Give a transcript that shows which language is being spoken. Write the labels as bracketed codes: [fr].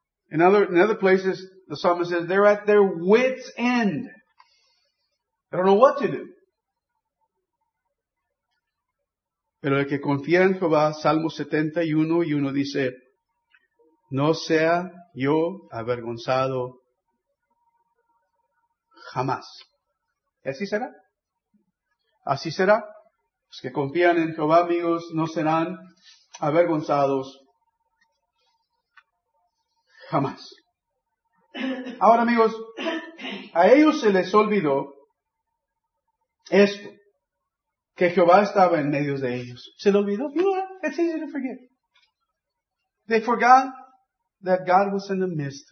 [en] In other places, the psalmist says, they're at their wit's end. They don't know what to do. [es] Pero el que confía en Jehová, Salmo 71 y 1 dice, no sea yo avergonzado jamás. ¿Así será? Así será. Los que confían en Jehová, amigos, no serán avergonzados jamás. Ahora, amigos, a ellos se les olvidó esto, que Jehová estaba en medio de ellos. ¿Se les olvidó? [en] You know, it's easy to forget. They forgot that God was in the midst.